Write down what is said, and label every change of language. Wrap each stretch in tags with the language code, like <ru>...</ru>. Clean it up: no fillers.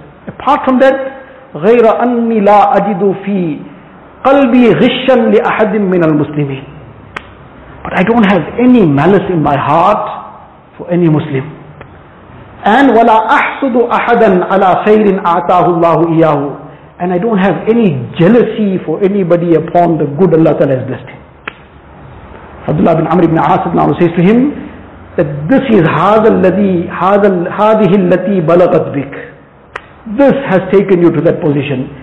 <en>Apart from that,</en> <ar>غير أني لا أجد في قلبي غشا لأحد من المسلمين.</ar> <en>But I don't have any malice in my heart for any Muslim. And</en> <ar>ولا أحسد أحدا على خير أعطاه الله إياه.</ar> <en>And I don't have any jealousy for anybody upon the good Allah Ta'ala has blessed him. Abdullah bin Amr ibn Asad now says to him that this is</en> <ar>هذه التي بلغت بك.</ar> <en>This has taken you to that position.</en>